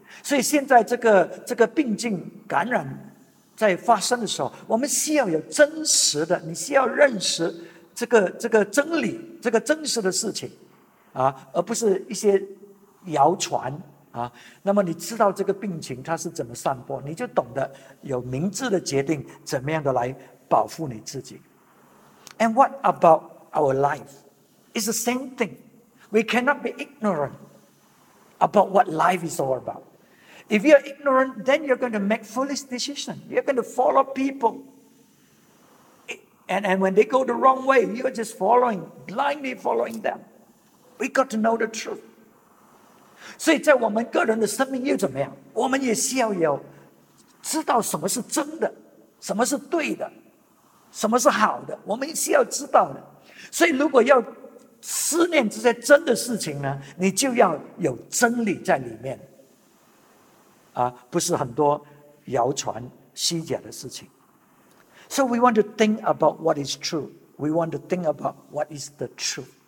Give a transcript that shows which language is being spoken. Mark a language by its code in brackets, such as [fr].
[zh] 所以现在这个病菌感染在发生的时候，我们需要有真实的，你需要认识这个真理，这个真实的事情，而不是一些谣传啊。那么你知道这个病情它是怎么散播，你就懂得有明智的决定，怎么样的来保护你自己。 [en] And what about our life? It's the same thing. We cannot be ignorant about what life is all about. If you're ignorant, then you're going to make foolish decisions. You're going to follow people And when they go the wrong way, you're just following, blindly following them. We got to know the truth. [zh] 所以在我们个人的生命又怎么样，我们也是要有什么是对的，什么是好的，我们也是要知道的。所以如果要思念这些真的事情呢，你就要有真理在里面，不是很多谣传虚假的事情。 [en] So we want to think about what is true. We want to think about what is the truth.